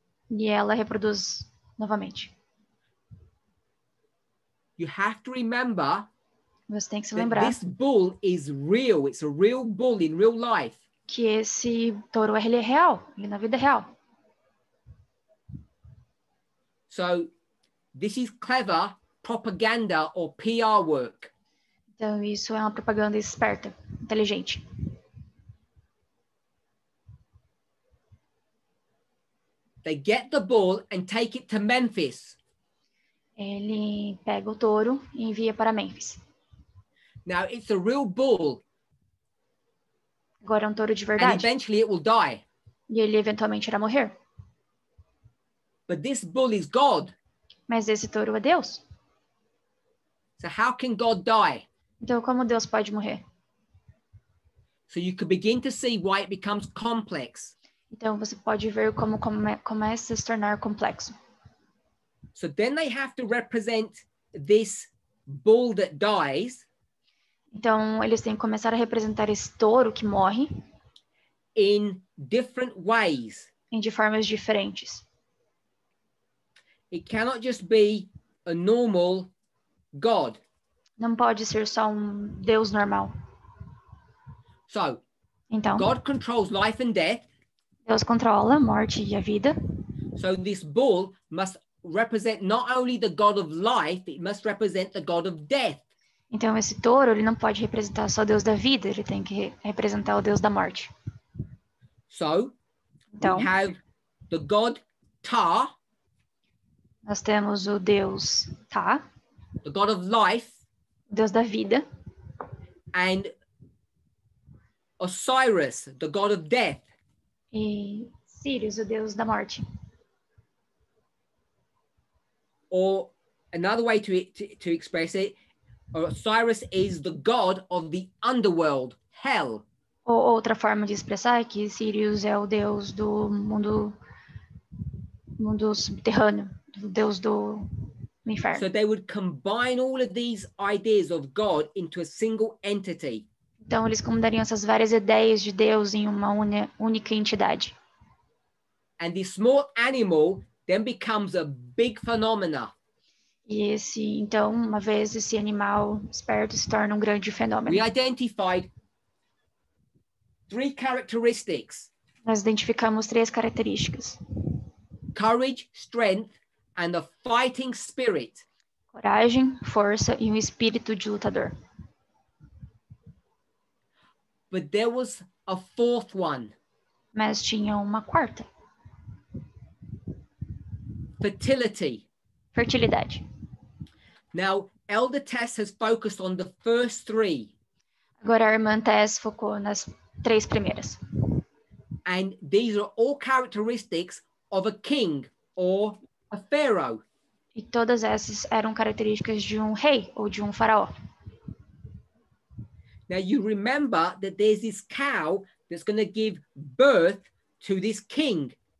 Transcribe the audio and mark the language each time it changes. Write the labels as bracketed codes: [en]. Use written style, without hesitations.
[pt] E ela reproduz novamente. [en] You have to remember. [pt] Você tem que se lembrar. [en] This bull is real. It's a real bull in real life. [pt] Que esse touro ele é real, ele é na vida real. [en] So, this is clever propaganda or PR work. [pt] Então isso é uma propaganda esperta, inteligente. [en] They get the bull and take it to Memphis. [pt] Ele pega o touro e envia para Memphis. [en] Now it's a real bull. [pt] Agora um touro de verdade. [en] And eventually it will die. [pt] E ele eventualmente irá morrer. [en] But this bull is God. [pt] Mas esse touro é Deus. [en] So how can God die? [pt] Então como Deus pode morrer? [en] So you could begin to see why it becomes complex. [pt] Então você pode ver como começa a se tornar complexo. [en] So then they have to represent this bull that dies. [pt] Então eles têm que começar a representar esse touro que morre. [en] In different ways. [pt] Em de formas diferentes. [en] It cannot just be a normal god. [pt] Não pode ser só um deus normal. [en] So, [pt] então, [en] God controls life and death. [pt] Deus controla a morte e a vida. [en] So this bull must represent not only the god of life, it must represent the god of death. [pt] Então esse touro, ele não pode representar só o deus da vida, ele tem que representar o deus da morte. [en] So, [pt] então, [en] we have the god Tar. [pt] Nós temos o deus Tá. [en] The god of life. [pt] Deus da vida. [en] And Osiris, the god of death. [pt] E Sirius, o deus da morte. [en] Or another way to express it, Osiris is the god of the underworld, hell. [pt] Ou outra forma de expressar é que Sirius é o deus do mundo subterrâneo, o deus do inferno. [en] So they would combine all of these ideas of God into a single entity. [pt] Então eles combinariam essas várias ideias de Deus em uma única entidade. [en] And this small animal then becomes a big phenomena. [pt] E esse, então, uma vez esse animal esperto se torna um grande fenômeno. [en] We identified three characteristics. [pt] Nós identificamos três características. [en] Courage, strength, and a fighting spirit. [pt] Coragem, força e um espírito de lutador. [en] But there was a fourth one. [pt] Mas tinha uma quarta. [en] Fertility. [pt] Fertilidade. [en] Now, Elder Tess has focused on the first three. [pt] Agora a irmã Tess focou nas três primeiras. [en] And these are all characteristics of a king or a pharaoh. [pt] E todas essas eram características de um rei ou de um faraó. [en] Now you remember that there's this cow that's going to give birth to this king.